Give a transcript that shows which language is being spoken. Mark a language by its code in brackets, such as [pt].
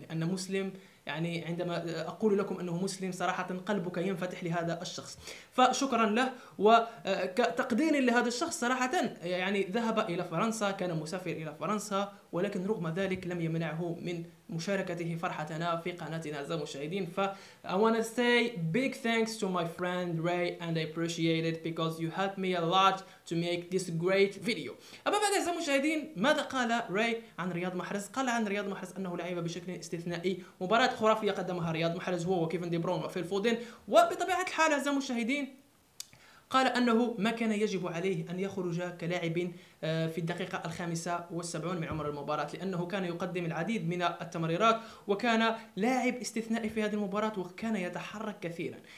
[ar] لأن مسلم يعني عندما أقول لكم أنه مسلم صراحة قلبك ينفتح لهذا الشخص، فشكرا له. وكتقدير لهذا الشخص صراحة، يعني ذهب إلى فرنسا، كان مسافر إلى فرنسا، ولكن رغم ذلك لم يمنعه من مشاركته فرحتنا في قناتنا أعزائي المشاهدين. ف [en] I wanna say big thanks to my friend Ray and I appreciate it because you helped me a lot to make this great video. [ar] أما بعد أعزائي المشاهدين، ماذا قال Ray عن رياض محرز؟ قال عن رياض محرز أنه لعب بشكل استثنائي، مباراة خرافية قدمها رياض محرز هو وكيفن دي برون وفيل فودن. وبطبيعة الحال أعزائي المشاهدين، قال أنه ما كان يجب عليه أن يخرج كلاعب في الدقيقة 75 من عمر المباراة، لأنه كان يقدم العديد من التمريرات وكان لاعب استثنائي في هذه المباراة، وكان يتحرك كثيرا.